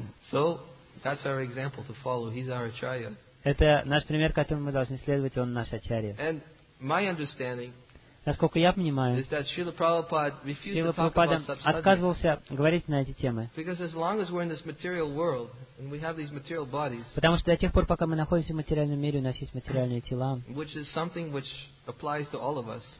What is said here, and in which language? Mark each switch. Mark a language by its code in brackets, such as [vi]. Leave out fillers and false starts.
[en] So, that's our example to follow. He's our acharya. [ru] Это наш пример, которому мы должны следовать, он наш ачарья. [en] And my understanding, [ru] насколько я понимаю, Шрила Прабхупада отказывался говорить на эти темы. [en] Because as long as we're in this material world and we have these material bodies, [ru] потому что до тех пор, пока мы находимся в материальном мире, у нас есть материальные тела, [en] which is something which applies to all of us,